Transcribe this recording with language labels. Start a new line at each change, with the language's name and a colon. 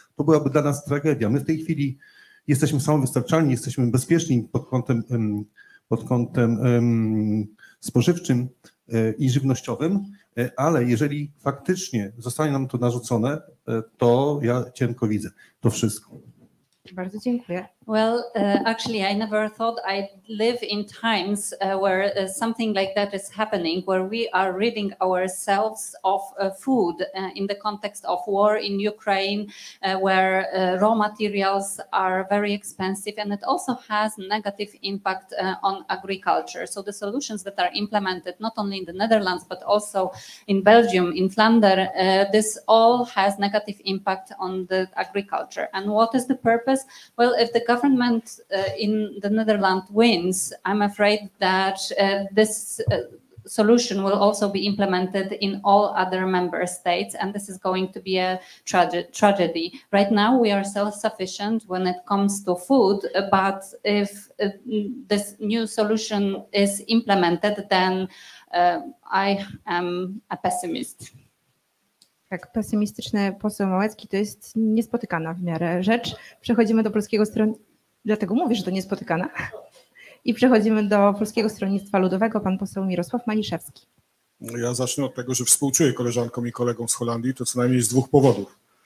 Polish: To byłaby dla nas tragedia. My w tej chwili jesteśmy samowystarczalni, jesteśmy bezpieczni pod kątem spożywczym i żywnościowym, ale jeżeli faktycznie zostanie nam to narzucone, to ja cienko widzę to wszystko. Bardzo dziękuję.
English: Well, actually, I never thought I'd live in times where something like that is happening, where we are ridding ourselves of food in the context of war in Ukraine, where raw materials are very expensive, and it also has negative impact on agriculture. So the solutions that are implemented not only in the Netherlands, but also in Belgium, in Flanders, this all has negative impact on the agriculture. And what is the purpose? Well, if the government in the Netherlands wins, I'm afraid that this solution will also be implemented in all other member states, and this is going to be a tragedy. Right now we are self-sufficient when it comes to food, but if this new solution is implemented, then I am a pessimist.
Polish: Tak, pesymistyczny poseł Małecki, to jest niespotykana w miarę rzecz. Przechodzimy do polskiego stronnictwa. Dlatego mówię, że to niespotykana. I przechodzimy do Polskiego Stronnictwa Ludowego, pan poseł Mirosław Maliszewski. Ja zacznę od tego, że współczuję koleżankom i kolegom z Holandii, to co najmniej z dwóch powodów.